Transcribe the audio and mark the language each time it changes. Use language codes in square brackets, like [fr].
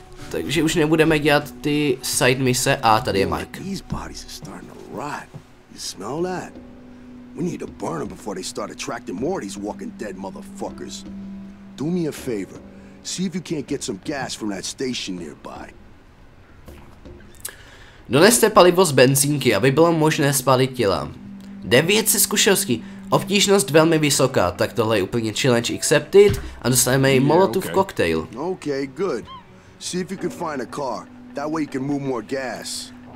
[cs] Takže už nebudeme dělat ty side mise a tady je Mike. [en] These bodies are starting to rot. You smell that? We need to burn them before they start attracting more of these walking dead motherfuckers. Do me a favor. See if you can't get some gas from that station nearby. [cs] Doneste palivo z benzínky, aby bylo možné spálit těla. 9 se zkušeností. Obtížnost velmi vysoká, tak tohle je úplně [en] challenge accepted [cs] a dostaneme jim molotov koktejl. [en] Okay, good. See if you can find a car. That way you can move more gas.